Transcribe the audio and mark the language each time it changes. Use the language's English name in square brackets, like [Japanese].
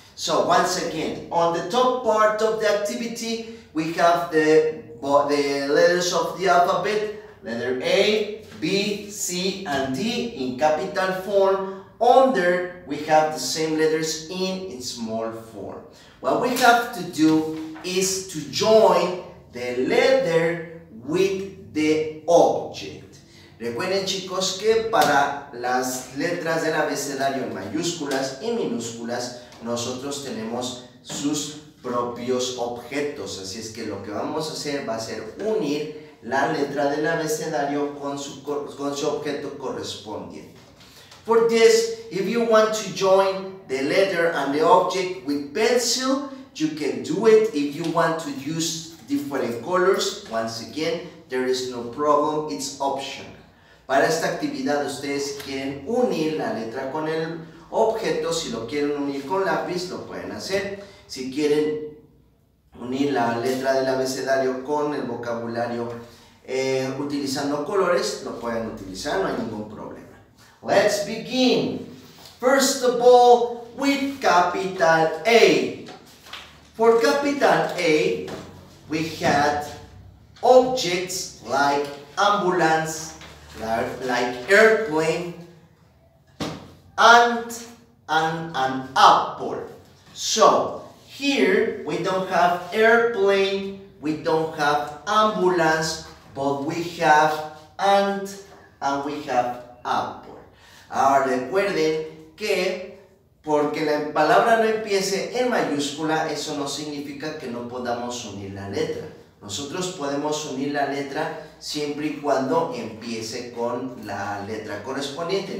[English] So, once again, on the top part of the activity, we have the letters of the alphabet, letter A, B, C, and D in capital form. Under, we have the same letters in its small form. What we have to do is to join the letter with the object. [Spanish] Recuerden, chicos, que para las letras del abecedario en mayúsculas y minúsculas, nosotros tenemos sus propios objetos. Así es que lo que vamos a hacer va a ser unir la letra del abecedario con su objeto correspondiente. [English] For this, if you want to join the letter and the object with pencil, you can do it. If you want to use different colors, once again, there is no problem, it's optional. [Spanish] Para esta actividad, ustedes quieren unir la letra con el objeto. Si lo quieren unir con lápiz, lo pueden hacer. Si quieren unir la letra del abecedario con el vocabulario utilizando colores, lo pueden utilizar, no hay ningún problema. [English] Let's begin. First of all, with capital A. For capital A, we had objects like ambulance, like airplane, and an apple. So here we don't have airplane, we don't have ambulance, but we have ant and we have apple. [Spanish] Ahora recuerden que porque la palabra no empiece en mayúscula, eso no significa que no podamos unir la letra. Nosotros podemos unir la letra siempre y cuando empiece con la letra correspondiente.